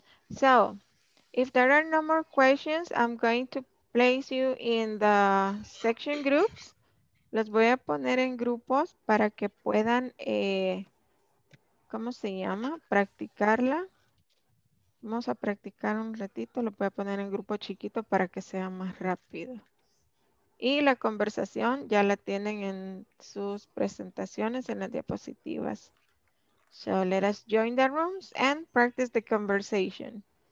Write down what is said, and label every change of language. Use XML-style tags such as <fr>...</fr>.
<en>So, if there are no more questions, I'm going to place you in the section groups.</en> <es>Los voy a poner en grupos para que puedan, ¿cómo se llama? Practicarla. Vamos a practicar un ratito. Lo voy a poner en grupo chiquito para que sea más rápido. Y la conversación ya la tienen en sus presentaciones, en las diapositivas.</es> <en>So let us join the rooms and practice the conversation.</en>